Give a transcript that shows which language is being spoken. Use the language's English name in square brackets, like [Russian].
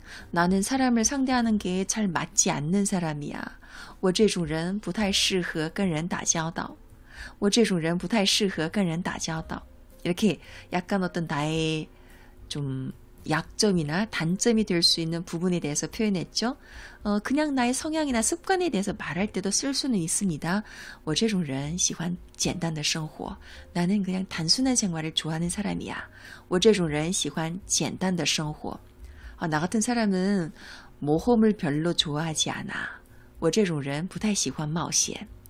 [Korean] 나는 사람을 상대하는 게 잘 맞지 않는 사람이야. [Chinese] 我这种人不太适合跟人打交道.我这种人不太适合跟人打交道. [Korean] 이렇게 약간 어떤 나의 좀 약점이나 단점이 될 수 있는 부분에 대해서 표현했죠. 그냥 나의 성향이나 습관에 대해서 말할 때도 쓸 수는 있습니다. [Chinese] 我这种人喜欢简单的生活. [Korean] 나는 그냥 단순한 생활을 좋아하는 사람이야. [Chinese] 我这种人喜欢简单的生活. [Korean] 나 같은 사람은 모험을 별로 좋아하지 않아. [Chinese] 我这种人不太喜欢冒险。